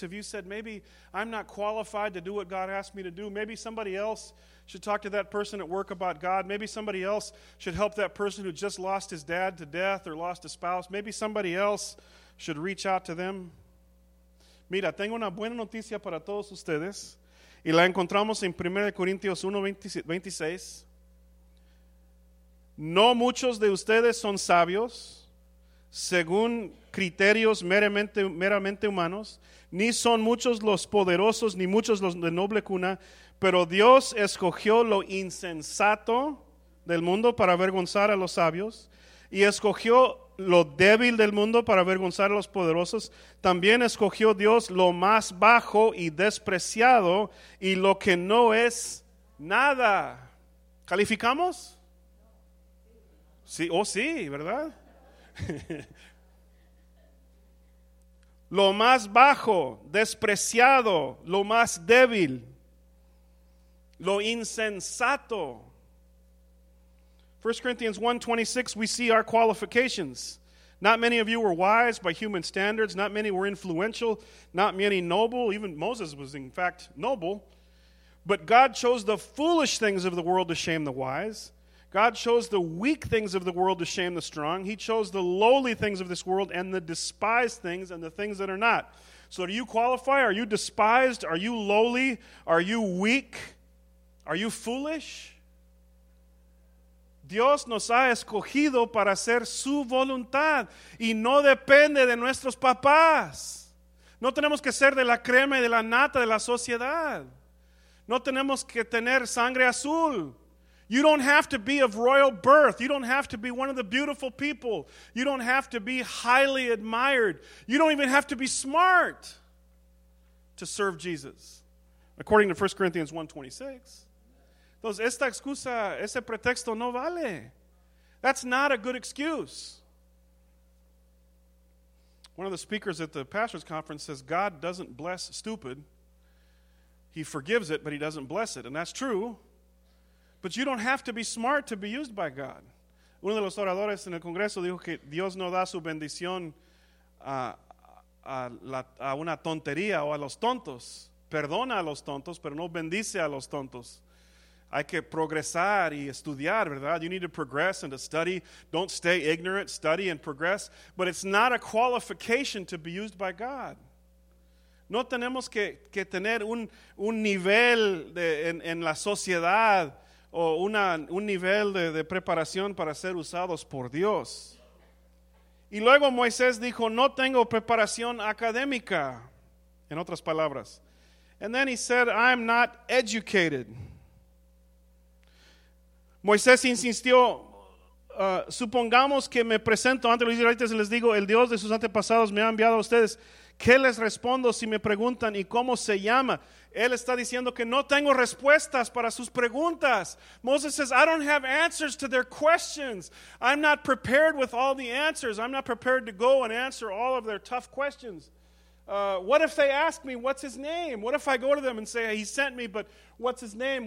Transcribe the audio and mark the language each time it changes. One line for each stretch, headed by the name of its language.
English: Have you said, maybe I'm not qualified to do what God asked me to do? Maybe somebody else should talk to that person at work about God. Maybe somebody else should help that person who just lost his dad to death or lost a spouse. Maybe somebody else should reach out to them.
Spanish: Mira, tengo una buena noticia para todos ustedes. Y la encontramos en 1 Corintios 1:26. No muchos de ustedes son sabios según criterios meramente humanos. Ni son muchos los poderosos, ni muchos los de noble cuna. Pero Dios escogió lo insensato del mundo para avergonzar a los sabios. Y escogió lo débil del mundo para avergonzar a los poderosos. También escogió Dios lo más bajo y despreciado y lo que no es nada. ¿Calificamos? Sí, oh sí, ¿verdad? Lo más bajo, despreciado, lo más débil, lo insensato.
English: 1 Corinthians 1:26, we see our qualifications. Not many of you were wise by human standards. Not many were influential. Not many noble. Even Moses was, in fact, noble. But God chose the foolish things of the world to shame the wise. God chose the weak things of the world to shame the strong. He chose the lowly things of this world and the despised things and the things that are not. So do you qualify? Are you despised? Are you lowly? Are you weak? Are you foolish?
Spanish: Dios nos ha escogido para hacer su voluntad y no depende de nuestros papás. No tenemos que ser de la crema y de la nata de la sociedad. No tenemos que tener sangre azul.
English: You don't have to be of royal birth. You don't have to be one of the beautiful people. You don't have to be highly admired. You don't even have to be smart to serve Jesus. According to 1 Corinthians 1:26.
Spanish: Entonces, esta excusa, ese pretexto no vale.
English: That's not a good excuse. One of the speakers at the pastor's conference says, God doesn't bless stupid. He forgives it, but he doesn't bless it. And that's true. But you don't have to be smart to be used by God.
Spanish: Uno de los oradores en el Congreso dijo que Dios no da su bendición a una tontería o a los tontos. Perdona a los tontos, pero no bendice a los tontos. Hay que progresar y estudiar, ¿verdad?
English: You need to progress and to study. Don't stay ignorant. Study and progress. But it's not a qualification to be used by God.
Spanish: No tenemos que tener un nivel de, en la sociedad o un nivel de preparación para ser usados por Dios. Y luego Moisés dijo, no tengo preparación académica. En otras palabras.
English: And then he said, I'm not educated.
Spanish: Moisés insistió, supongamos que me presento ante los israelitas y les digo, el Dios de sus antepasados me ha enviado a ustedes. ¿Qué les respondo si me preguntan y cómo se llama? Él está diciendo que no tengo respuestas para sus preguntas.
English: Moses says, I don't have answers to their questions. I'm not prepared with all the answers. I'm not prepared to go and answer all of their tough questions. What if they ask me, what's his name? What if I go to them and say, he sent me, but what's his name?